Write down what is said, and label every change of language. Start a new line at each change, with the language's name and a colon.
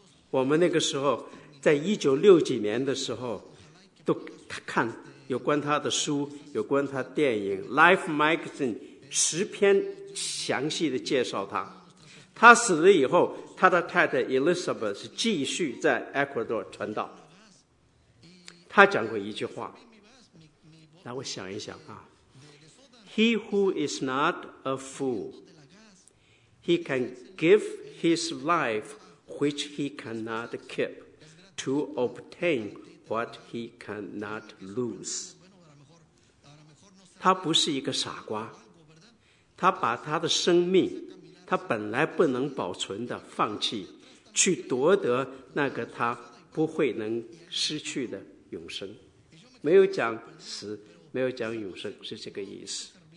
Chinese: 我们那个时候在1960几年的时候都看有关他的书，有关他电影 Life Magazine 10篇详细的介绍他。他死了以后，他的太太 Elizabeth 是继续在 Ecuador 传道。他讲过一句话，让我想一想啊。
English: He who is not a fool, he can give his life which he cannot keep to obtain what he cannot lose.
Chinese: 他不是一个傻瓜，他把他的生命，他本来不能保存的放弃，去夺得那个他不会能失去的永生。没有讲死，没有讲永生，是这个意思。